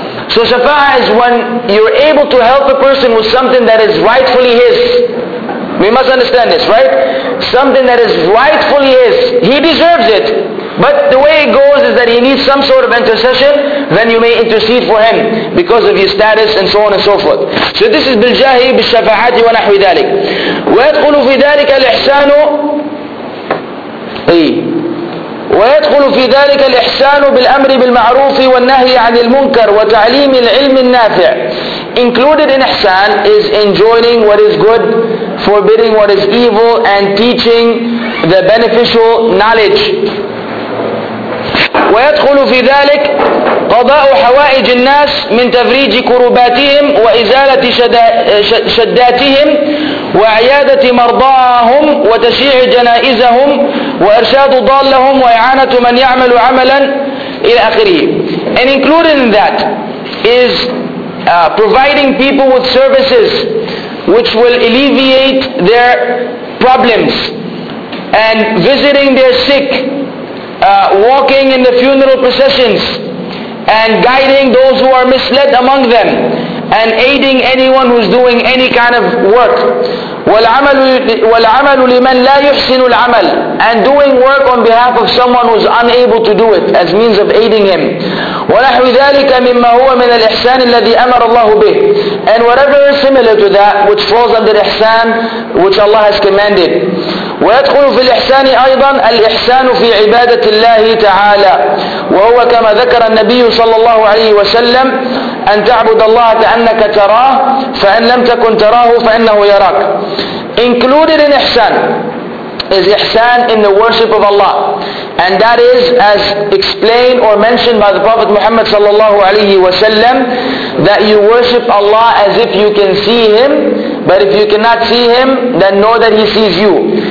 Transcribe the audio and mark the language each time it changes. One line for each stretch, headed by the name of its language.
English: So shafa'ah is when you're able to help a person with something that is rightfully his. We must understand this, right? Something that is rightfully his. He deserves it. But the way it goes is that he needs some sort of intercession, then you may intercede for him because of your status and so on and so forth. So this is
Arabic: بالجاهي بالشفاعات ونحو ذلك. ويدخل في ذلك الإحسان أي ويدخل في ذلك الإحسان بالأمر بالمعروف والنهي عن المنكر وتعليم العلم النافع.
English: Included in إحسان is enjoining what is good, forbidding what is evil, and teaching the beneficial knowledge.
Arabic: ويدخل في ذلك قضاء حوائج الناس من تفريج كرباتهم وإزالة شداتهم وعيادة مرضاهم وتشيع جنائزهم وإرشاد ضالهم وإعانة من يعمل عملا إلى آخره.
English: And included in that is providing people with services which will alleviate their problems, and visiting their sick, walking in the funeral processions, and guiding those who are misled among them, and aiding anyone who's doing any kind of work.
Arabic: وَالْعَمَلُ لِمَنْ لَا يُحْسِنُ الْعَمَلُ,
English: and doing work on behalf of someone who's unable to do it as means of aiding him.
Arabic: وَنَحْوِ ذَلِكَ مِمَّا هُوَ مِنَ الْإِحْسَانِ الَّذِي أَمَرَ اللَّهُ بِهِ,
English: and whatever is similar to that which falls under ihsan, which Allah has commanded.
Arabic: ويدخل في الإحسان أيضا الإحسان في عبادة الله تعالى، وهو كما ذكر النبي صلى الله عليه وسلم أن تعبد الله كأنك تراه، فإن لم تكن تراه فإنه يراك.
English: Included in إحسان is إحسان in the worship of Allah, and that is as explained or mentioned by the Prophet Muhammad
Arabic: صلى الله عليه وسلم
English: that you worship Allah as if you can see Him, but if you cannot see Him then know that He sees you.